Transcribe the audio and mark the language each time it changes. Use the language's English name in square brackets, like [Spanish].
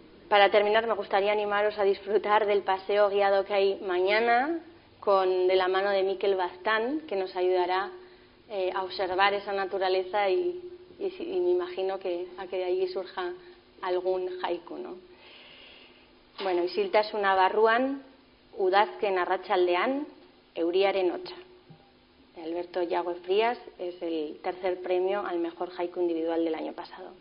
[Spanish] Para terminar, me gustaría animaros a disfrutar del paseo guiado que hay mañana de la mano de Mikel Baztán, que nos ayudará a observar esa naturaleza y me imagino que a que de allí surja algún haiku, ¿no? [Basque] Bueno, isiltasuna barruan, udazken arratsaldean, euriaren hotza. [Spanish] Alberto Yago Frías es el tercer premio al mejor haiku individual del año pasado.